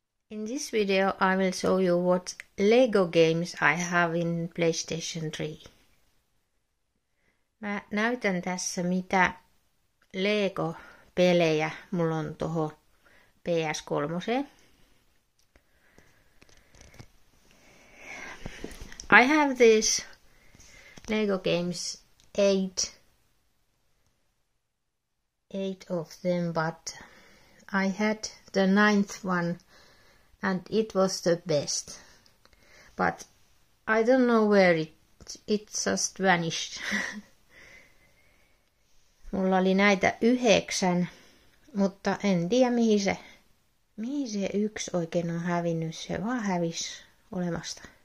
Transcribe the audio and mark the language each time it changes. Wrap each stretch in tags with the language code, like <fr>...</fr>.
<en>In this video, I will show you what Lego games I have in PlayStation 3.</en> <fi>Mä näytän tässä mitä Lego-pelejä mulla on tuohon PS3.</fi> <en>I have this Lego games 8 of them, but I had the ninth one and it was the best. But I don't know where it just vanished.</en> <fi>Mulla oli näitä 9, mutta en tiedä mihin se yksi oikein on hävinnyt, se vaan hävisi olemasta.</fi>